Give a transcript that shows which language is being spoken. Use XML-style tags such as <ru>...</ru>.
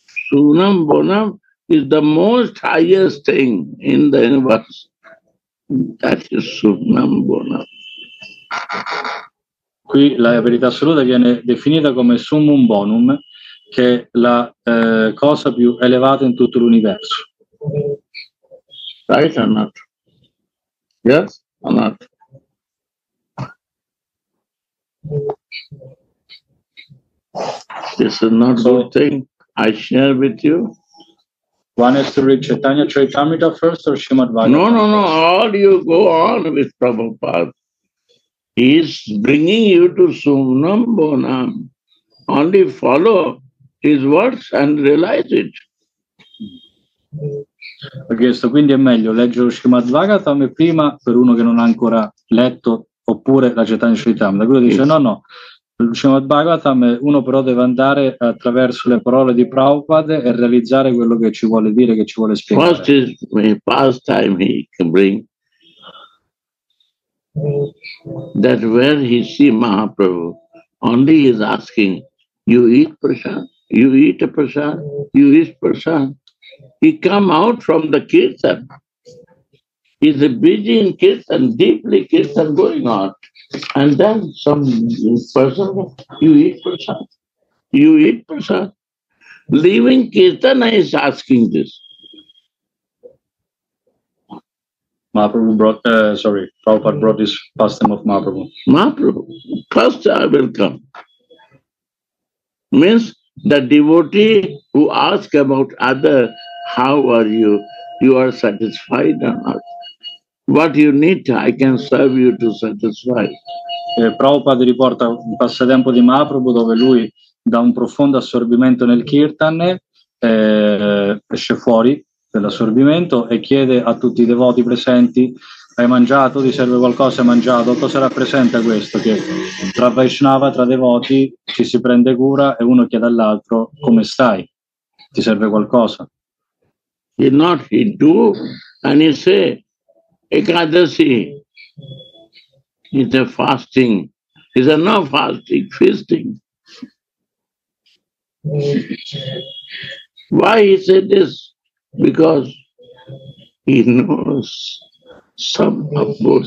<en>Sunum bonum is the most highest thing in the universe. That is sunum bonum.</en> <it>Qui la verità assoluta viene definita come sunum bonum, che è la cosa più elevata in tutto l'universo.</it> <en>Right or not? Yes or not? This is not so, the thing I share with you. One has to read Chaitanya Charitamrita first or Srimad Bhagavatam? No. All you go on with Prabhupada. He is bringing you to sunam bonam. Only follow his words and realize it.</en> <it>Ho chiesto, quindi è meglio leggere lo Srimad Bhagavatam prima per uno che non ha ancora letto oppure la Chaitanya Charitamrita. Quello dice</it> <en>yes.</en> <it>No, lo Srimad Bhagavatam uno però deve andare attraverso le parole di Prabhupada e realizzare quello che ci vuole dire, che ci vuole spiegare.</it> <en>First is the past time he can bring that where he see Mahaprabhu only is asking you eat prasad. You eat a prasad, you eat prasad. He come out from the kirtan. is a busy in kirtan, deeply kirtan going on. And then some person, you eat prasad. You eat prasad. Leaving kirtana is asking this. Mahaprabhu brought, Prabhupada brought this pastime of Mahaprabhu. Mahaprabhu, first I will come. Means the devotee who asks about other, how are you? You are satisfied or not? What you need, I can serve you to satisfy.</en> <it>Prabhupada riporta un passatempo di Mahaprabhu dove lui da un profondo assorbimento nel kirtan esce fuori dell'assorbimento e chiede a tutti i devoti presenti: hai mangiato? Ti serve qualcosa? Hai mangiato? Cosa rappresenta questo? Che tra Vaishnava, tra devoti, ci si prende cura e uno chiede all'altro: come stai? Ti serve qualcosa?</it> <en>He not, he do, and he say, Ekadasi, it's a fasting, it's a no fasting, feasting. Why he said this? Because he knows some of both.</en>